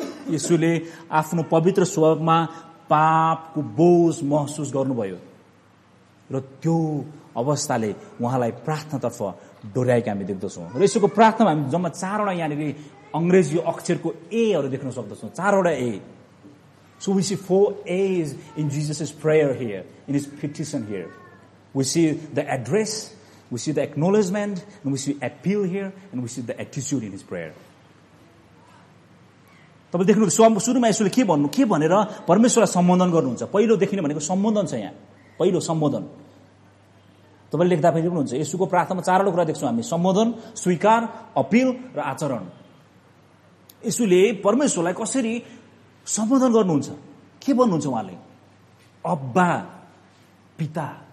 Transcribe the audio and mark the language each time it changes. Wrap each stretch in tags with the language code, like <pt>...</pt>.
<ne>येशूले आफ्नो पवित्र स्वभावमा पापको बोझ महसुस गर्नुभयो र त्यो अवस्थाले उहाँलाई प्रार्थनातर्फ डोर्याएको हामी देख्दछौँ। र येशूको प्रार्थनामा हामी जम्मा 4 यहाँनिर अङ्ग्रेजी अक्षरको एहरू देख्न सक्दछौँ, 4 ए।</ne> <en>So we see 4 A's in Jesus' prayer here, in his petition here. We see the address, we see the acknowledgement, and we see appeal here, and we see the attitude in his prayer.</en> <ne>तपाईँले देख्नुहुन्छ स्वामी सुरुमा यसले के भन्नु, के भनेर परमेश्वरलाई सम्बोधन गर्नुहुन्छ। पहिलो देखिने भनेको सम्बोधन छ यहाँ, पहिलो सम्बोधन। तपाईँले लेख्दा फेरि पनि हुन्छ यसुको प्रार्थनामा 4 कुरा देख्छौँ हामी, सम्बोधन, स्वीकार, अपिल र आचरण। यसुले परमेश्वरलाई कसरी सम्बोधन गर्नुहुन्छ, के भन्नुहुन्छ उहाँले, अब्बा पिता।</ne>